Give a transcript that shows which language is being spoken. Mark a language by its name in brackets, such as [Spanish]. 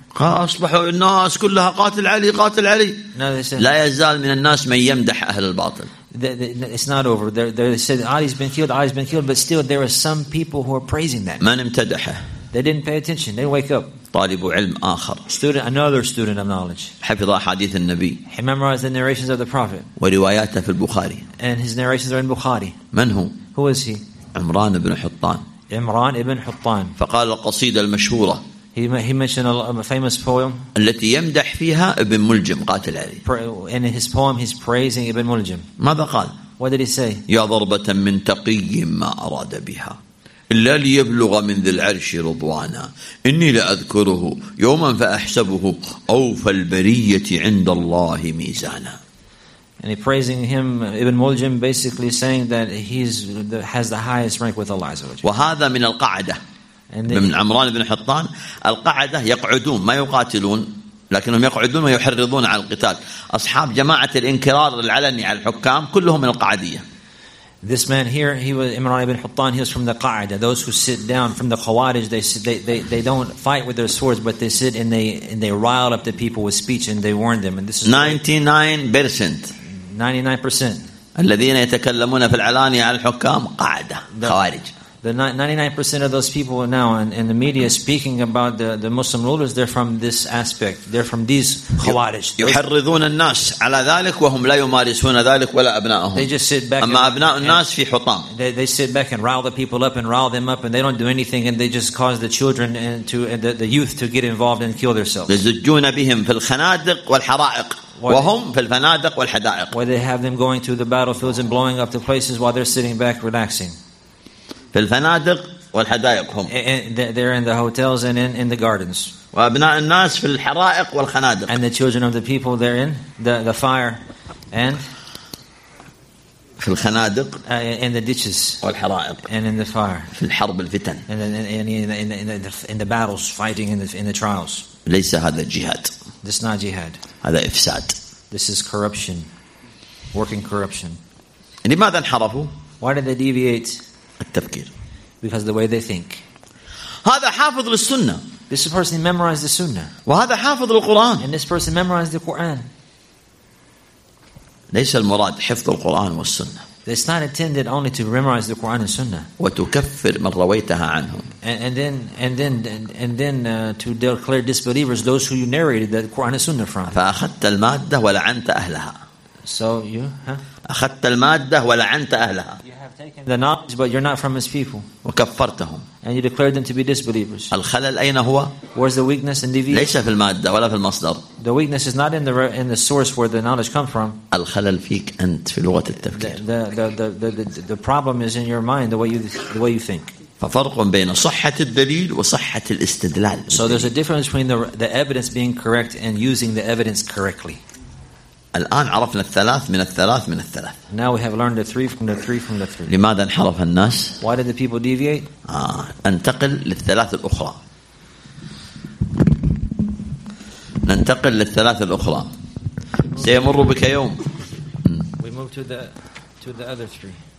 [Arabic] أصبحوا الناس كلها قاتل علي قاتل علي. [English] No, they said. [Arabic] لا يزال من الناس من يمدح أهل الباطل. [English] It's not over. They said Ali's been killed, but still there are some people who are praising that. [Arabic] من امتدحه؟ [English] They didn't pay attention. They wake up. [Arabic] طالب علم آخر. [English] Student, another student of knowledge. [Arabic] حفظ أحاديث النبي. [English] He memorized the narrations of the Prophet. [Arabic] ورواياته في البخاري. [English] And his narrations are in Bukhari. [Arabic] من هو؟ [English] Who is he? [Arabic] عمران بن حطان. عمران ابن حطان. فقال القصيدة المشهورة. [English] He mentioned a famous poem. [Arabic] التي يمدح فيها ابن ملجم قاتل علي. [English] In his poem, he's praising ابن ملجم. [Arabic] ماذا قال؟ [English] What did he say? [Arabic] يا ضربة من تقي ما أراد بها. إلا ليبلغ من ذي العرش رضوانا إني لأذكره يوما فأحسبه أوفى البرية عند الله ميزانا. [English] And he's praising him, Ibn Muljim, basically saying that has the highest rank with Allah Azza wa Jalla. [Arabic] وهذا من القاعدة من عمران بن حطان القاعدة يقعدون ما يقاتلون لكنهم يقعدون ويحرضون على القتال أصحاب جماعة الإنكرار العلني على الحكام كلهم من القاعدية. [English] This man here, he was Imran ibn Huttan, he was from the Qa'ida. Those who sit down from the Khawarij, they don't fight with their swords, but they sit and they rile up the people with speech and they warn them. And this is 99%. 99%. [Arabic] الذين يتكلمون في العلانية على الحكام قاعدة خوارج. [English] The 99% of those people now in the media speaking about the Muslim rulers, they're from this aspect. They're from these Khawarij. [Arabic] يحرضون الناس على ذلك وهم لا يمارسون ذلك ولا أبنائهم. [English] They just sit back. [Arabic] أما أبناء الناس في حطام. [English] They sit back and rile the people up and rile them up and they don't do anything and they just cause the children and to the youth to get involved and kill themselves. [Arabic] يزجون بهم في الخنادق والحرائق. وهم في الفنادق والحدائق. [English] Where they have them going to the battlefields and blowing up the places while they're sitting back relaxing. [Arabic] في الفنادق والحدائق هم. [English] They're in the hotels and in the gardens. [Arabic] وأبناء الناس في الحرائق والخنادق. [English] And the children of the people they're in the fire and [Arabic] في الخنادق. [English] In the ditches. [Arabic] والحرائق. [English] And in the fire. [Arabic] في الحرب الفتن. [English] And in the battles fighting in the trials. [Arabic] ليس هذا الجهاد. [English] This is not jihad. [Arabic] هذا إفساد. [English] This is corruption, working corruption. [Arabic] لماذا انحرفوا؟ [English] Why did they deviate? [Arabic] التفكير. [English] Because the way they think. [Arabic] هذا حافظ للسنة. [English] This person memorized the Sunnah. [Arabic] وهذا حافظ للقرآن. [English] And this person memorized the Quran. [Arabic] ليس المراد حفظ القرآن والسنة. [English] It's not intended only to memorize the Quran and Sunnah. [Arabic] وتكفر من رويتها عنهم. [English] And then to declare disbelievers those who you narrated the Quran and Sunnah from. [Arabic] فأخذت المادة ولعنت أهلها. [English] So you, huh? [Arabic] أخذت المادة ولعنت أهلها. [English] The knowledge, but you're not from his people. [Arabic] وكفرتهم. [English] And you declared them to be disbelievers. [Arabic] الخلل أين هو؟ [English] Where's the weakness and deviation? [Arabic] ليس في المادة ولا في المصدر. [English] The weakness is not in the source where the knowledge comes from. [Arabic] الخلل فيك أنت في لغة التفكير. [English] The problem is in your mind, the way you think. [Arabic] ففرق بين صحة الدليل وصحة الاستدلال. [English] So there's a difference between the evidence being correct and using the evidence correctly. [Arabic] الآن عرفنا الثلاث من الثلاث من الثلاث. [English] Now we have learned the three from the three from the three. [Arabic] لماذا انحرف الناس؟ [English] Why did the people deviate? [Arabic] انتقل للثلاث الأخرى. ننتقل للثلاث الأخرى. سيمر بك يوم. [English] We move to the other three.